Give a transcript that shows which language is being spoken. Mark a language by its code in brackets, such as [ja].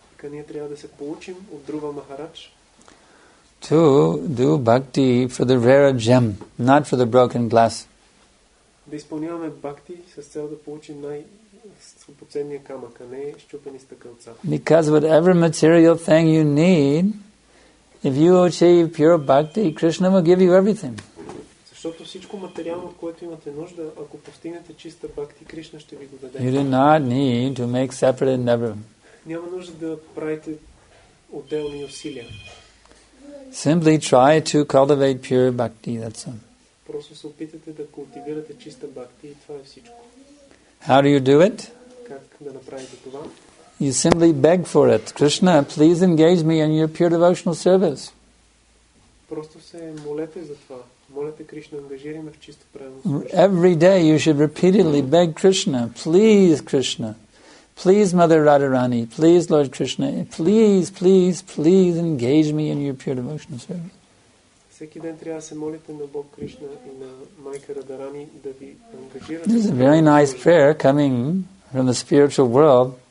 [bg] Ние трябва да се поучим от Друва Махарадж. [en] to do bhakti for the rarer gem, not for the broken glass. [bg] Да изпълняваме бхакти с цел да получим най-скъпоценния камък, а не счупени стъкълца. [en] Because whatever material thing you need, if you achieve pure bhakti, Krishna will give you everything. [bg] Защото всичко материално, което имате нужда, ако постигнете чиста бхакти, Кришна ще ви го даде. [en] You do not need to make separate endeavor. [bg] Няма нужда да правите отделни усилия. [en] Simply try to cultivate pure bhakti, that's all. [bg] Просто се опитате да култивирате чиста бхакти и това е всичко. [en] How do you do it? [bg] Как да направите това? [en] You simply beg for it. Krishna, please engage me in your pure devotional service. [bg] Просто се молете за това. Молете Кришна, ангажирай ме в чисто правилно. [en] Every day you should repeatedly beg Krishna, please Krishna, please Mother Radharani, please Lord Krishna, please, please, please engage me in your pure devotional service. [bg] Всеки ден трябва да се молите на Бог Кришна и на майка Радарани да ви ангажират. [en] This is a very nice prayer coming from the spiritual world.